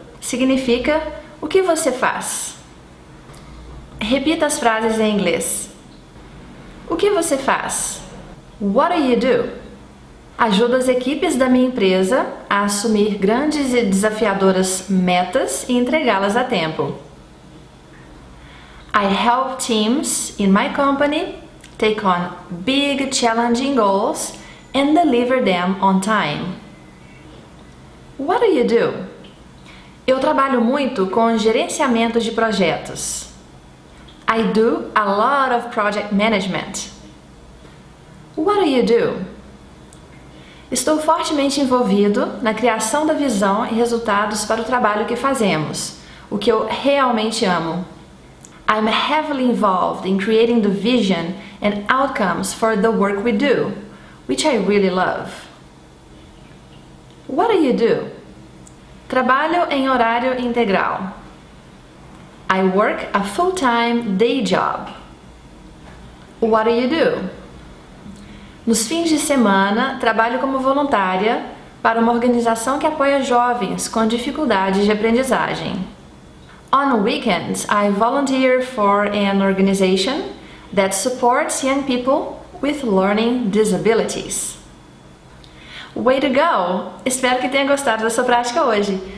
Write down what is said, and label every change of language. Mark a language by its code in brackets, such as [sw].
[pt] Significa o que você faz? Repita as frases em inglês. O que você faz? [en] What do you do? [pt] Ajuda as equipes da minha empresa a assumir grandes e desafiadoras metas e entregá-las a tempo. [en] I help teams in my company take on big challenging goals and deliver them on time. What do you do? [pt] Eu trabalho muito com gerenciamento de projetos. [en] I do a lot of project management. What do you do? [pt] Estou fortemente envolvido na criação da visão e resultados para o trabalho que fazemos, o que eu realmente amo. [en] I'm heavily involved in creating the vision and outcomes for the work we do, which I really love. What do you do? [pt] Trabalho em horário integral. [en] I work a full-time day job. What do you do? [pt] Nos fins de semana, trabalho como voluntária para uma organização que apoia jovens com dificuldades de aprendizagem. [en] On weekends, I volunteer for an organization that supports young people with learning disabilities. Way to go! [pt] Espero que tenha gostado da sua prática hoje.